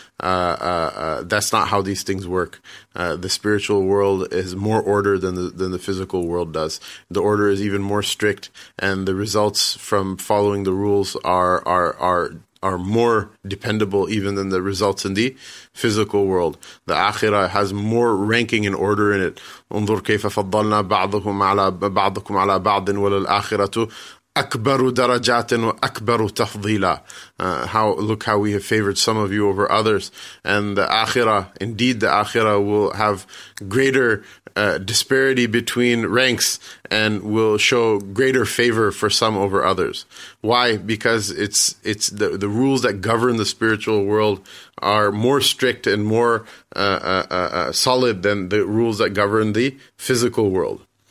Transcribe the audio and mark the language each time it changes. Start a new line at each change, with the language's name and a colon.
English: That's not how these things work. The spiritual world is more order than the physical world does. The order is even more strict, and the results from following the rules are more dependable even than the results in the physical world. The akhirah has more ranking and order in it.
Arabic: انظر كيف فضلنا بعضهم على بعضكم على بعض وللآخرة أكبر درجات وأكبر تفضيلا.
English: Look how we have favored some of you over others. And the akhirah, indeed the akhirah, will have greater disparity between ranks and will show greater favor for some over others. Why? Because it's the rules that govern the spiritual world are more strict and more solid than the rules that govern the physical world.